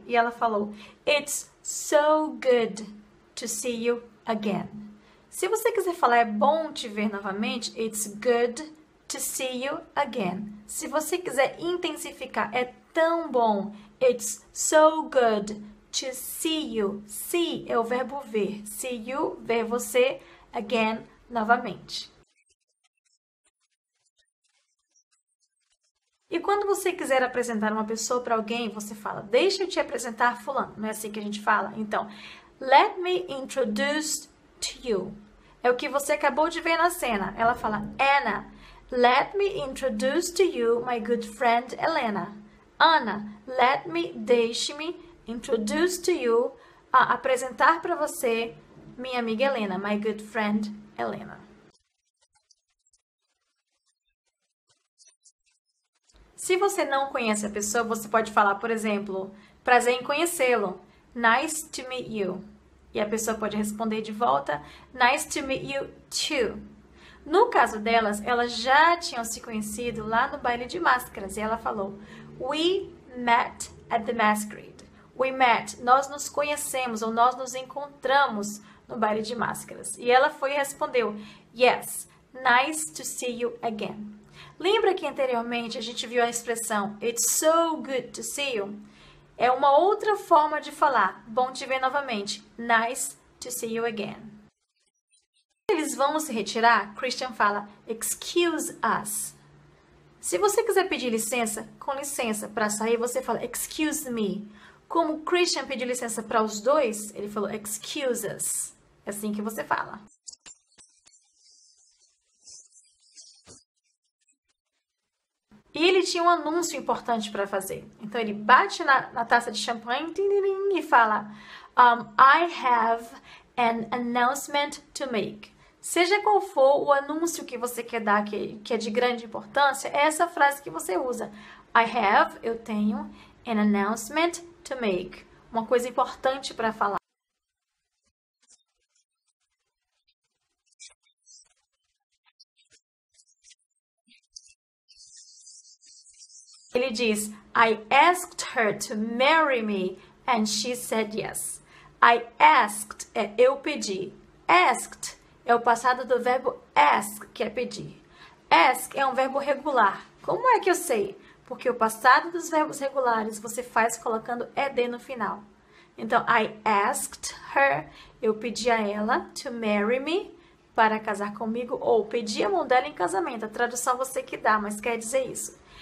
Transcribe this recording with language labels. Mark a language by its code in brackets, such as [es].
[pt] E ela falou, [en] It's so good to see you again. [pt] Se você quiser falar, é bom te ver novamente, [en] It's good to see you again. [pt] Se você quiser intensificar, é tão bom, [en] It's so good to see you. [pt] See é o verbo ver. [en] See you, [pt] ver você, again, novamente. E quando você quiser apresentar uma pessoa para alguém, você fala, deixa eu te apresentar fulano. Não é assim que a gente fala? [en] Então, let me introduce to you. [pt] É o que você acabou de ver na cena. Ela fala, Anna, [en] let me introduce to you my good friend [pt] Elena. [en] Anna, let me, [pt] deixe-me [en] introduce to you, [pt] apresentar para você minha amiga [en] Elena, my good friend Elena. [pt] Se você não conhece a pessoa, você pode falar, por exemplo, prazer em conhecê-lo. [en] Nice to meet you. [pt] E a pessoa pode responder de volta, [en] nice to meet you too. [pt] No caso delas, elas já tinham se conhecido lá no baile de máscaras e ela falou, [en] We met at the masquerade. We met, [pt] nós nos conhecemos ou nós nos encontramos no baile de máscaras. E ela foi e respondeu, [en] Yes, nice to see you again. [pt] Lembra que anteriormente a gente viu a expressão [en] It's so good to see you? [pt] É uma outra forma de falar bom te ver novamente. [en] Nice to see you again. [pt] Eles vão se retirar? Christian fala [en] Excuse us. [pt] Se você quiser pedir licença, com licença, para sair, você fala [en] Excuse me. [pt] Como Christian pediu licença para os dois, ele falou [en] Excuse us. [pt] É assim que você fala. E ele tinha um anúncio importante para fazer. Então ele bate na taça de champanhe e fala: [en] I have an announcement to make. [pt] Seja qual for o anúncio que você quer dar, que é de grande importância, é essa frase que você usa. [en] I have, [pt] eu tenho, [en] an announcement to make. [pt] Uma coisa importante para falar. Ele diz, [en] I asked her to marry me and she said yes. I asked [pt] é eu pedi. Asked é o passado do verbo ask, que é pedir. Ask é um verbo regular. Como é que eu sei? Porque o passado dos verbos regulares você faz colocando ed no final. Então, [en] I asked her, [pt] eu pedi a ela [en] to marry me, [pt] para casar comigo, ou pedi a mão dela em casamento. A tradução você que dá, mas quer dizer isso.